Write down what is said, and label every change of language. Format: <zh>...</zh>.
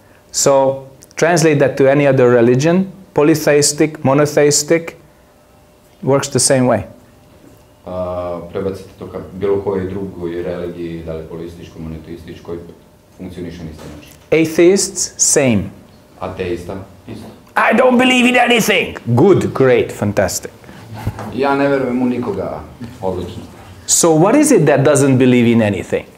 <en>So, translate that to any other religion, polytheistic, monotheistic, works the same way.</en> <sr>Prebacite to ka bilo kojoj drugoj religiji, da li polističkoj, monoteističkoj, funkcioniše na isti način.</sr> <en>Atheists, same.</en> <sr>Ateista, isto.</sr> <en>I don't believe in anything! Good, great, fantastic.</en> <sr>Ja ne verujem u nikoga, odlično.</sr> <en>So what is it that doesn't believe in anything?</en>